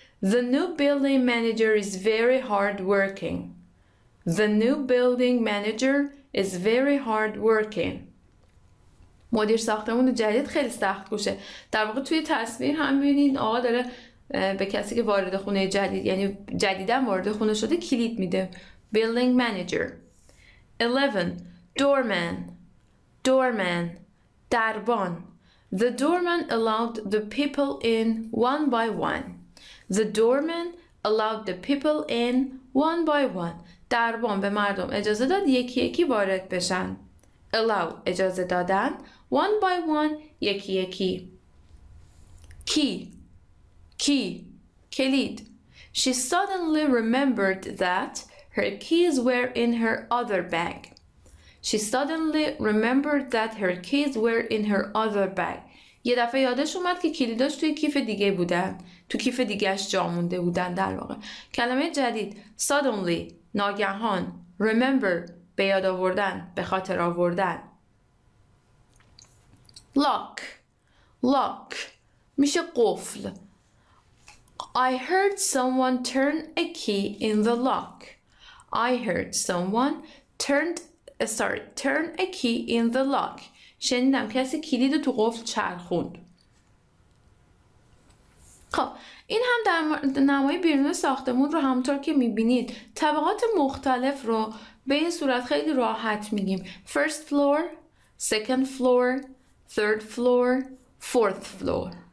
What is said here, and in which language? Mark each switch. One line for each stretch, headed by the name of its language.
English: The new building manager is very hard working. The new building manager is very hard working.
Persian: مدیر ساختمان جدید خیلی سخت کوشه. در واقع توی تصویر هم ببینید آقا داره به کسی که وارد خونه جدید، یعنی جدیدن وارد خونه شده، کلید میده.
English: Building manager. 11. Doorman. Doorman.
Persian: دربان.
English: The doorman allowed the people in one by one. The doorman allowed the people in one by one.
Persian: دربان به مردم اجازه داد یکی یکی وارد بشن.
English: Allow
Persian: اجازه دادن.
English: One by one
Persian: یکی یکی.
English: Key. Key.
Persian: کلید.
English: She suddenly remembered that her keys were in her other bag. She suddenly remembered that her keys were in her other bag.
Persian: یه دفعه یادش اومد که کلیداش توی کیف دیگه بودن، تو کیف دیگه‌اش جا مونده بودن. در واقع کلمه جدید suddenly، ناگهان. Remember به یاد آوردن، به خاطر آوردن.
English: Lock. Lock
Persian: میشه قفل.
English: I heard someone turn a key in the lock. I heard someone turn a key in the lock.
Persian: شنیدم کسی کلید تو قفل چرخوند. خب این هم در نمای بیرون ساختمون رو همونطور که میبینید طبقات مختلف رو به این صورت خیلی راحت میگیم.
English: First floor, second floor, third floor, fourth floor.